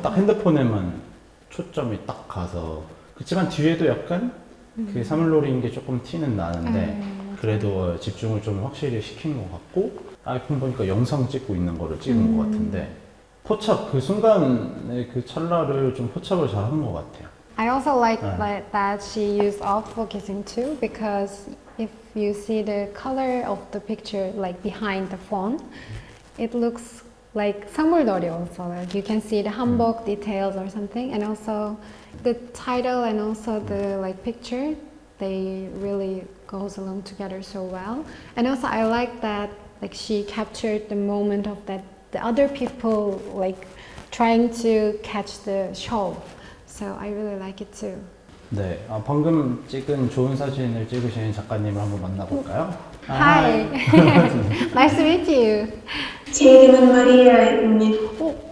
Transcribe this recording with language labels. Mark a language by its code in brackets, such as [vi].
[ko] 딱 핸드폰에만 초점이 딱 가서 그렇지만 뒤에도 약간 그 사물놀이인 게 조금 티는 나는데 그래도 집중을 좀 확실히 시킨 것 같고 아이폰 보니까 영상 찍고 있는 거를 찍은 것 같은데 포착 그 순간의 그 찰나를 좀 포착을 잘 한 것 같아요. [en] I also like that she used autofocusing too because if you see the color of the picture like behind the phone, it looks like 사물놀이 also. Like you can see the hanbok details or something and also the title and also the like picture they really goes along together so well and also I like that like she captured the moment of that the other people like trying to catch the show so I really like it too [ko] 네, 아, 방금 찍은 좋은 사진을 찍으신 작가님을 한번 만나볼까요? [en] Hi! Nice to meet you! [ko] 제 이름은 마리아입니다.